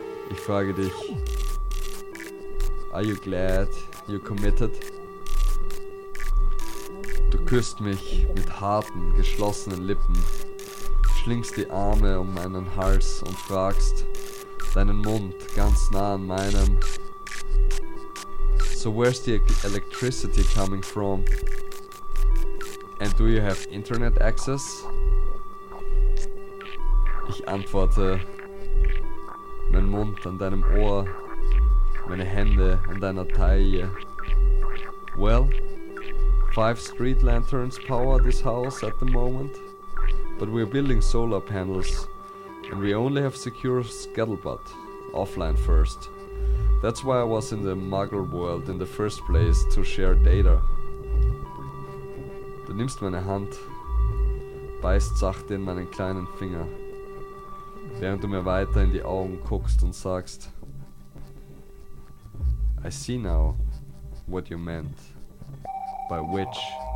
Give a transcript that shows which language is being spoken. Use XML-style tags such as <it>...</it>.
<de>Ich frage dich,</de> <en>are you glad you committed?</en> <de>Du küsst mich mit harten, geschlossenen Lippen, schlingst die Arme um meinen Hals und fragst, deinen Mund ganz nah an meinem.</de> <en>So where's the electricity coming from? And do you have internet access?</en> <de>Ich antworte, mein Mund an deinem Ohr, meine Hände an deiner Taille.</de> <en>Well, 5 street lanterns power this house at the moment, but we're building solar panels and we only have secure scuttlebutt, offline first. That's why I was in the Muggle world in the first place, to share data.</en> <de>Du nimmst meine Hand, beißt sacht in meinen kleinen Finger, während du mir weiter in die Augen guckst und sagst,</de> <en>I see now what you meant by which.</en>